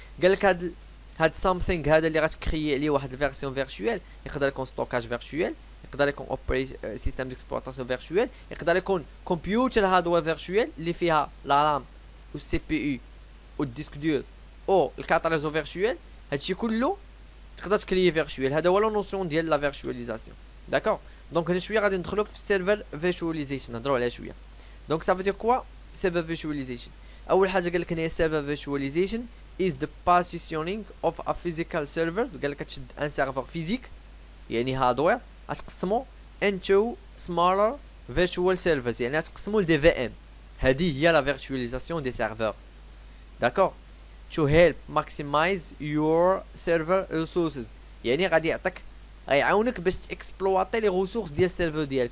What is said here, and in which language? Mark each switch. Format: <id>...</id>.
<ar>قالك هاد سامثينغ هذا اللي غتكريي عليه واحد الفيرسيون فيرتوال، يقدر يكون ستوكاج فيرتوال، يقدر يكون سيستم ديكسبلواتاسيون فيرتوال، يقدر يكون كمبيوتر هاردوير فيرتوال اللي فيها لارام و سي بي يو و ديسك دور او الكاتاليزو فيرتوال. هادشي كله تقدر تكريي فيرتوال، هذا هو لا نوسيون ديال لا فيرتواليزاسيون. داكور، دونك هنا شويه غادي ندخلو في سيرفر فيرتواليزيشن، نهضرو عليها شويه. دونك سافو دير كوا سيرفر فيرتواليزيشن؟ اول حاجه قالك هنا سيرفر فيرتواليزيشن</ar> <en>is the partitioning of a physical server.</en> <ar>قال لك تشد ان سيرفر فيزيك يعني هاردوير تقسمه</ar> <en>into smaller virtual servers</en> <ar>يعني تقسمه لدي في ام. هذه هي لا فيرتواليزاسيون دي سيرفر داكور.</ar> <en>To help maximize your server resources</en> <ar>يعني غادي يعطيك غيعاونك باش تاكسبلواتي لي غوسورس ديال السيرفر ديالك.</ar>